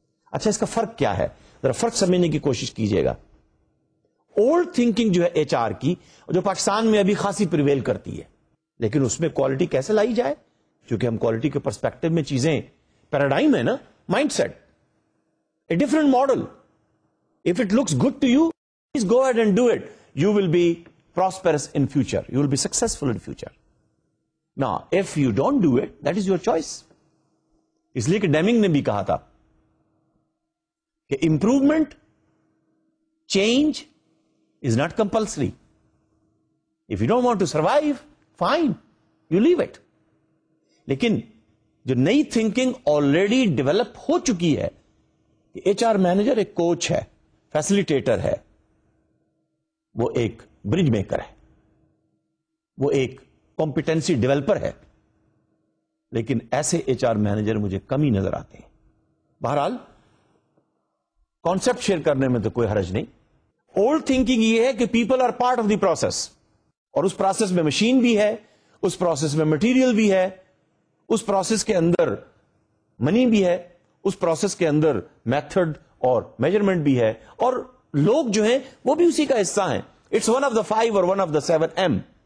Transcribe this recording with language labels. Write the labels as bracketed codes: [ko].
[ur] اچھا اس کا فرق کیا ہے, ذرا فرق سمجھنے کی کوشش کیجیے گا. اولڈ تھنکنگ جو ہے ایچ آر کی, جو پاکستان میں ابھی خاصی پریویل کرتی ہے, لیکن اس میں کوالٹی کیسے لائی جائے, کیونکہ ہم کوالٹی کے پرسپیکٹو میں چیزیں پیراڈائم ہے نا, mind set, [en] A different model. If it looks good to you, please go ahead and do it, you will be prosperous in future, you will be successful in future. Now, if you don't do it, that is your choice. [ur] اس لیے کہ Deming نے بھی کہا تھا کہ [en] Improvement, change is not compulsory. If you don't want to survive, fine, you leave it. [ur] لیکن جو نئی تھنکنگ آلریڈی ڈیولپ ہو چکی ہے کہ ایچ آر مینیجر ایک کوچ ہے, فیسلیٹیٹر ہے, وہ ایک برج میکر ہے, وہ ایک کمپیٹنسی ڈیولپر ہے, لیکن ایسے ایچ آر مینیجر مجھے کم ہی نظر آتے ہیں. بہرحال کانسپٹ شیئر کرنے میں تو کوئی حرج نہیں. اولڈ تھنکنگ یہ ہے کہ [en] people are part of the process, [ur] اور اس پروسیس میں مشین بھی ہے, اس پروسیس میں مٹیریل بھی ہے, اس پروسیس کے اندر منی بھی ہے, اس پروسیس کے اندر میتھڈ اور میجرمنٹ بھی ہے, اور لوگ جو ہیں وہ بھی اسی کا حصہ ہیں. [en] It's one of the five or one of the seven M.